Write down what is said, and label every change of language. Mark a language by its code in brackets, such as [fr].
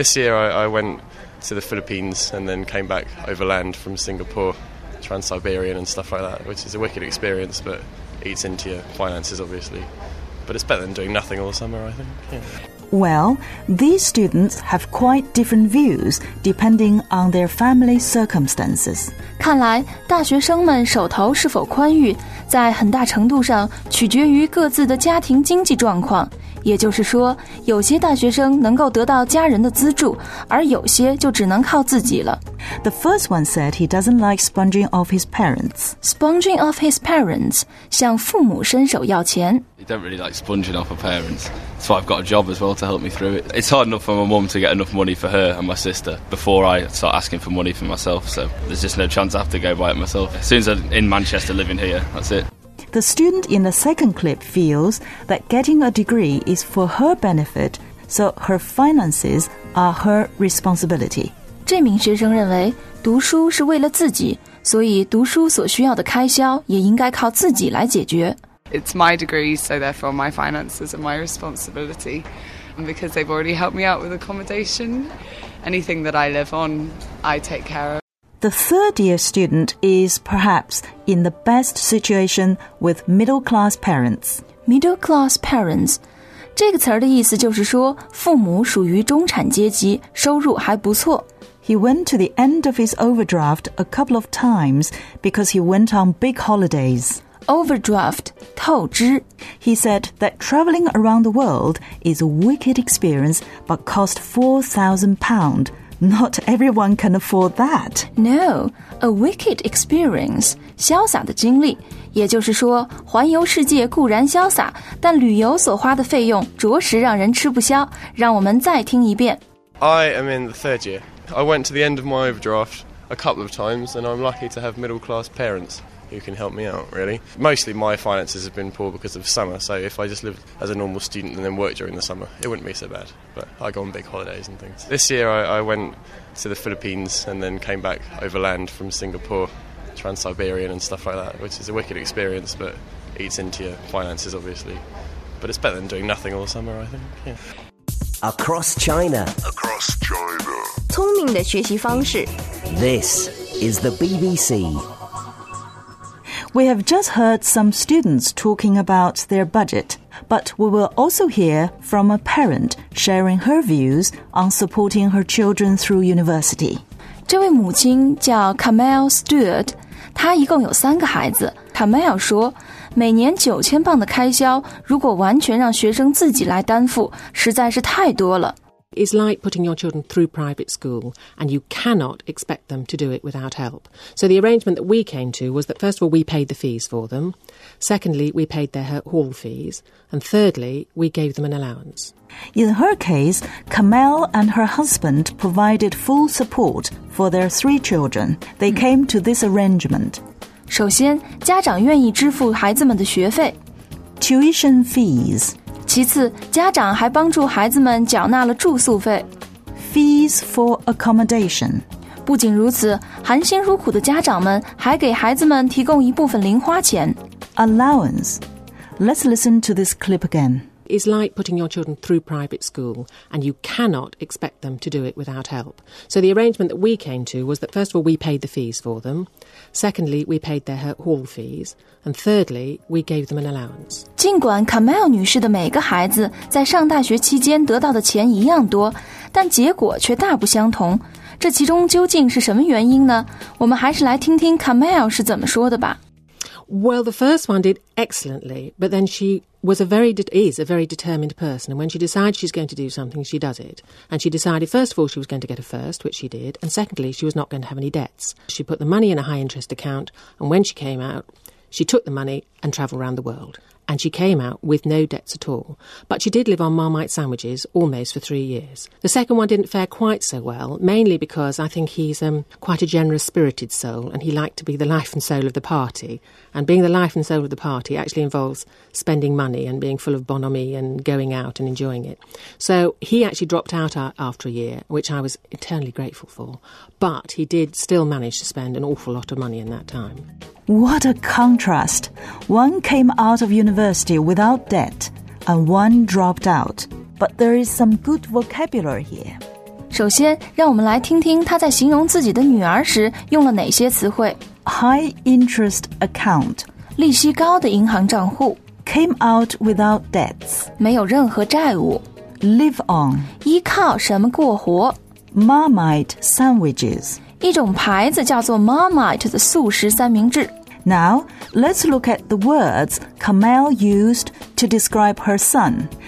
[en] This year I wentto the Philippines and then came back overland from Singapore, Trans-Siberian and stuff like that, which is a wicked experience but eats into your finances obviously. But it's better than doing nothing all summer, I think.、Yeah. Well, these students have quite different views depending on their family circumstances. [zh] 看来大学生们手头是否宽裕在很大程度上取决于各自的家庭经济状况。也就是说，有些大学生能够得到家人的资助，而有些就只能靠自己了。 [en] The first one said he doesn't like sponging off his parents. Sponging off his parents, [zh] 向父母伸手要钱。 [en] He don't really like sponging off of parents. That's why I've got a job as well to help me through it. It's hard enough for my mum to get enough money for her and my sister before I start asking for money for myself, so there's just no chance I have to go buy it myself. As soon as I'm in Manchester living here, that's it. The student in the second clip feels that getting a degree is for her benefit, so her finances are her responsibility. [zh] 这名学生认为读书是为了自己，所以读书所需要的开销也应该靠自己来解决。 [en] It's my degree, so therefore my finances are my responsibility. And because they've already helped me out with accommodation, anything that I live on, I take care of. The third year student is perhaps in the best situation with middle class parents. Middle class parents, [zh] 这个词儿的意思就是说父母属于中产阶级，收入还不错。 [en] He went to the end of his overdraft a couple of times because he went on big holidays. [zh] Overdraft, 透支。 [en] He said that traveling around the world is a wicked experience but cost £4,000. Not everyone can afford that. No, a wicked experience, [zh] 潇洒的经历。也就是说，环游世界固然潇洒，但旅游所花的费用着实让人吃不消。让我们再听一遍。 [en] I am in the third year. I went to the end of my overdraft a couple of times, and I'm lucky to have middle-class parents who can help me out, really. Mostly my finances have been poor because of summer, so if I just lived as a normal student and then worked during the summer, it wouldn't be so bad. But I go on big holidays and things. This year I went to the Philippines and then came back overland from Singapore, Trans-Siberian and stuff like that, which is a wicked experience, but eats into your finances, obviously. But it's better than doing nothing all summer, I think. Yeah. Across China. Across China. [zh] 聪明的学习方式。 [en] This is the BBC. We have just heard some students talking about their budget, but we will also hear from a parent sharing her views on supporting her children through university. [zh] 这位母亲叫 Camille Stewart, 她一共有三个孩子。 Camille 说，每年£9,000的开销，如果完全让学生自己来担负，实在是太多了。 [en] It's like putting your children through private school, and you cannot expect them to do it without help. So the arrangement that we came to was that, first of all, we paid the fees for them. Secondly, we paid their hall fees. And thirdly, we gave them an allowance. In her case, Camille and her husband provided full support for their three children. They came to this arrangement. [zh] 首先，家长愿意支付孩子们的学费。 [en] Tuition fees. [zh] 其次，家长还帮助孩子们缴纳了住宿费 [en] ，fees for accommodation。 [zh] 不仅如此，含辛茹苦的家长们还给孩子们提供一部分零花钱 [en] ，allowance。 Let's listen to this clip again. It's like putting your children through private school, and you cannot expect them to do it without help. So the arrangement that we came to was that first of all we paid the fees for them, secondly we paid their hall fees, and thirdly we gave them an allowance. [zh] 尽管 Camille 女士的每个孩子在上大学期间得到的钱一样多，但结果却大不相同。这其中究竟是什么原因呢？我们还是来听听 Camille 是怎么说的吧。 [en] Well, the first one did excellently, but then she was is a very determined person. And when she decides she's going to do something, she does it. And she decided, first of all, she was going to get a first, which she did. And secondly, she was not going to have any debts. She put the money in a high interest account. And when she came out, she took the money and travelled around the world. And she came out with no debts at all. But she did live on Marmite sandwiches almost for 3 years. The second one didn't fare quite so well, mainly because I think he's quite a generous-spirited soul, and he liked to be the life and soul of the party. And being the life and soul of the party actually involves spending money and being full of bonhomie and going out and enjoying it. So he actually dropped out after a year, which I was eternally grateful for. But he did still manage to spend an awful lot of money in that time. What a contrast! One came out of university without debt, and one dropped out. But there is some good vocabulary here. [zh] 首先，让我们来听听他在形容自己的女儿时用了哪些词汇。 [en] High interest account. [zh] 利息高的银行账户。 [en] Came out without debts. [zh] 没有任何债务。 [en] Live on. [zh] 依靠什么过活。 [en] Marmite sandwiches. [zh] 一种牌子叫做 Marmite 的素食三明治。 [en] Now, let's look at the words Camille used to describe her son.